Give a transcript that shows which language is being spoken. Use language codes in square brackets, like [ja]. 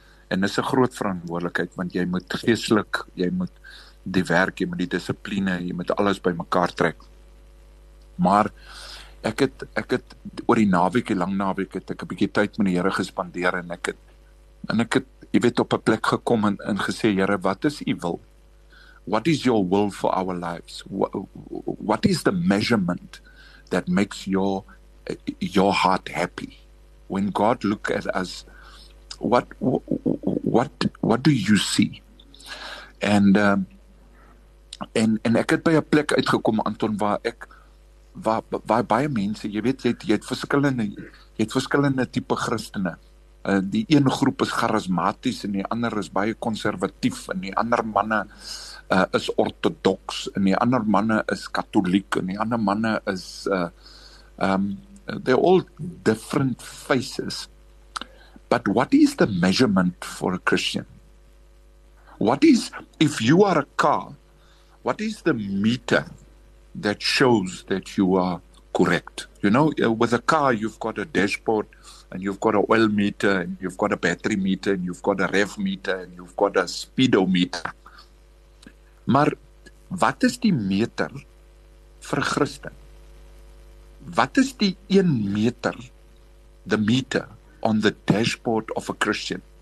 [af] En dis 'n groot verantwoordelikheid, want jy moet geestelik, jy moet die werk, jy moet die dissipline, jy moet alles by mekaar trek. Maar ek het oor die naweek, die lang naweek, het ek 'n bietjie tyd met die Here gespandeer en ek het jy weet op 'n plek gekom en gesê, Here, wat is u wil? [en] What is your will for our lives? What is the measurement that makes your heart happy? When God look at us, what do you see? [af] En ek het by 'n plek uitgekom, Anton, waar baie mense, jy weet, jy het verskillende tipe Christene. Die een groep is charismaties en die ander is baie konservatief en die ander manne is orthodoks en die ander manne is katoliek en die ander manne is they're all different faces. [en] But what is the measurement for a Christian? What is, if you are a car, what is the meter that shows that you are correct? You know, with a car, you've got a dashboard and you've got an oil meter and you've got a battery meter and you've got a rev meter and you've got a speedometer. [af] Maar wat is die meter vir Christen? Wat is die een meter, the meter on the dashboard of a Christian?